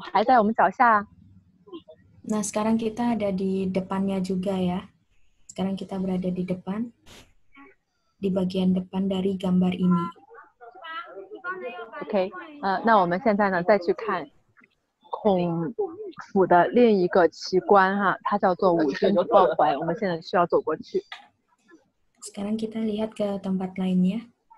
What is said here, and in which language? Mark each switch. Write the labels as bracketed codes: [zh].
[id] Nah sekarang kita ada di depannya juga ya. Sekarang kita berada di depan. Di bagian depan dari gambar ini. [zh] Oke, nah,我们现在呢再去看孔府的另一个奇观哈，它叫做五星抱怀。我们现在需要走过去。 [id] Sekarang kita lihat ke tempat lainnya.